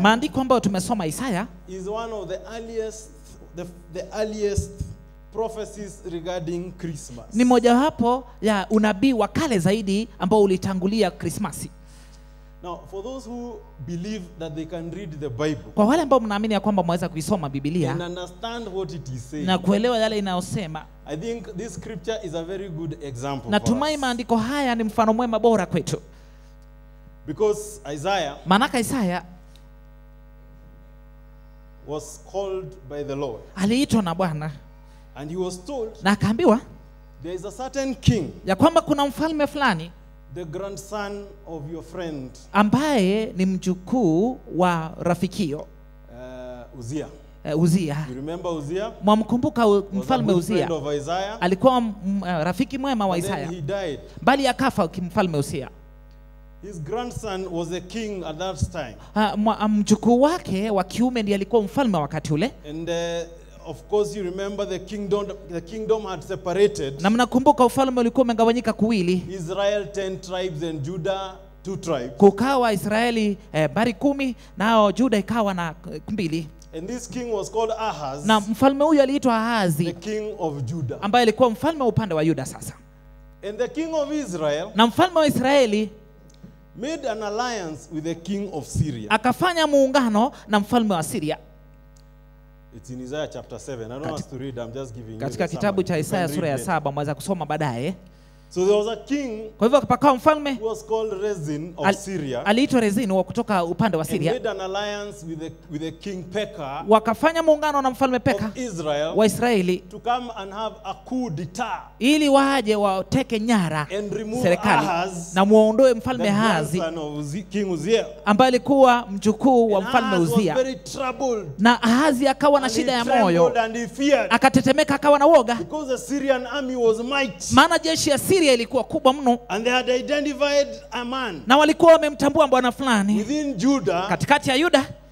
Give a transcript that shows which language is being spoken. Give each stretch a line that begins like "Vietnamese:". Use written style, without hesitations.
Swahili: Maandiko ambayo tumesoma
English: Isaiah. Is one of the earliest, the earliest prophecies regarding Christmas.
Swahili: Ni moja hapo ya unabii wa kale zaidi ambao ulitangulia Christmas.
English: Now, for those who believe that they can read the Bible.
Swahili: Kwa wale ambao mnaamini ya kwamba mwaweza kuisoma Biblia.
English: And understand what it is saying.
Swahili: Na kuelewa yale inayosema.
English: I think this scripture is a very good example.
Swahili: Natumai maandiko haya ni mfano mwema bora kwetu.
English: Because Isaiah.
Swahili: Manaka Isaiah.
English: Was called by the Lord.
Swahili: Aliitwa na Bwana.
English: And he was told.
Swahili: Na akaambiwa.
English: There is a certain king.
Swahili: Ya kwamba kuna mfalme fulani.
English: The grandson of your friend.
Swahili: Ambaye ni mjukuu wa rafikio.
English: Uzia. You remember Uzia?
Swahili: Mwamkumbuka mfalme Uzia.
English: Friend of Isaiah.
Swahili: Alikuwa rafiki mwema wa Isaiah.
English: Then he died.
Swahili: Bali akafa mfalme Uzia.
English: His grandson was a king at that time.
Swahili: Mjukuu wake wa kiume ndiye alikuwa mfalme wakati ule.
English: Of course you remember the kingdom had separated.
Swahili: Na mnakumbuka ufalme ulikuwa umegawanyika kuwili.
English: Israel 10 tribes and Judah 2 tribes.
Swahili: Kukawa Israeli bari 10 nao Judah ikawa na 2.
English: And this king was called Ahaz.
Swahili: Na mfalme huyo aliitwa Ahazi.
English: The king of Judah.
Swahili: Ambaye alikuwa mfalme upande wa Yuda sasa.
English: And the king of Israel.
Swahili: Na mfalme wa Israeli
English: made an alliance with the king of Syria.
Swahili: Akafanya muungano na mfalme wa Syria.
English: It's in Isaiah chapter 7. I don't want to read. I'm just giving you.
Swahili: Katika kitabu cha Isaiah sura ya 7 mwanzo kusoma baadaye.
English: So there was a king.
Swahili: Kwa hivyo akapakao mfalme.
English: Who was called Rezin of Syria.
Swahili: Aliitwa Rezin wa kutoka upande wa Syria.
English: Made an alliance with the king Pekah.
Swahili: Wakafanya muungano na mfalme Pekah.
English: Of Israel.
Swahili: Wa Israeli.
English: To come and have a coup d'etat.
Swahili: Ili waje wateke nyara.
English: And remove Ahaz.
Swahili: Na muondoe mfalme Ahazi.
English: King Uzia.
Swahili: Ambaye alikuwa mjukuu wa mfalme Uzia.
English: And Ahaz was very troubled.
Swahili: Na Ahazi akawa na shida ya moyo.
English: And he feared.
Swahili: Akatetemeka akawa na woga.
English: Because the Syrian army was might.
Swahili: Maana jeshi ya Syria ilikuwa kubwa mno.
English: And they had identified a man.
Swahili: Na walikuwa wamemtambua bwana fulani.
English: Within Judah.
Swahili: Katikati ya Yuda.